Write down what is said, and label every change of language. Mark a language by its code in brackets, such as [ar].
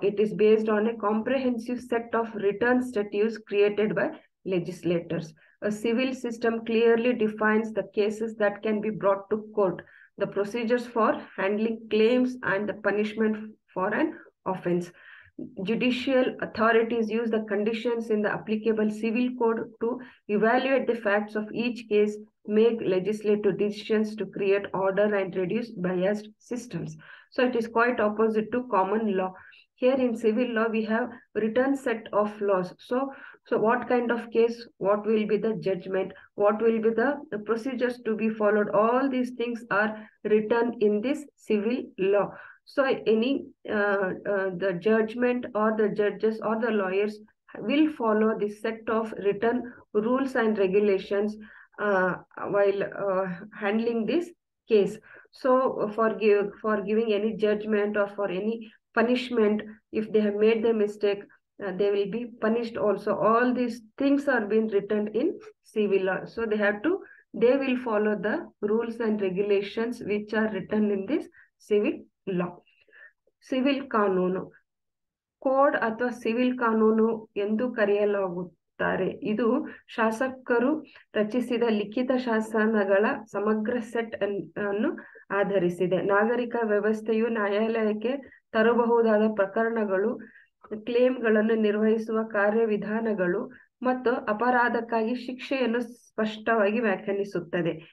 [en] It is based on a comprehensive set of written statutes created by legislators. A civil system clearly defines the cases that can be brought to court, the procedures for handling claims and the punishment for an offence. Judicial authorities use the conditions in the applicable civil code to evaluate the facts of each case, make legislative decisions to create order and reduce biased systems. So it is quite opposite to common law. Here in civil law, we have written set of laws. So what kind of case, what will be the judgment, what will be the procedures to be followed, all these things are written in this civil law. So any the judgment or the judges or the lawyers will follow this set of written rules and regulations while handling this case. So for giving any judgment or for any punishment, if they have made the mistake, they will be punished also. All these things are being written in civil law. So they will follow the rules and regulations which are written in this civil law. [kn] Civil ಕಾನೂನು code ಅಥವಾ civil ಕಾನೂನು ಎಂದು ಕರೆಯಲಾಗುತ್ತಾರೆ. ಇದು ಶಾಸಕರು ರಚಿಸಿದ ಲಿಖಿತ ಶಾಸನಗಳ ಸಮಗ್ರ set ಅನ್ನು ಆಧರಿಸಿದೆ. ನಾಗರಿಕ ವ್ಯವಸ್ಥೆಯು ನ್ಯಾಯಾಲಯಕ್ಕೆ ತರಬಹುದಾದ ಪ್ರಕರಣಗಳು, ಕ್ಲೇಮ್ಗಳನ್ನು ನಿರ್ವಹಿಸುವ ಕಾರ್ಯವಿಧಾನಗಳು ಮತ್ತು ಅಪರಾಧಕ್ಕಾಗಿ ಶಿಕ್ಷೆಯನ್ನು ಸ್ಪಷ್ಟವಾಗಿ ವ್ಯಾಖ್ಯಾನಿಸುತ್ತದೆ.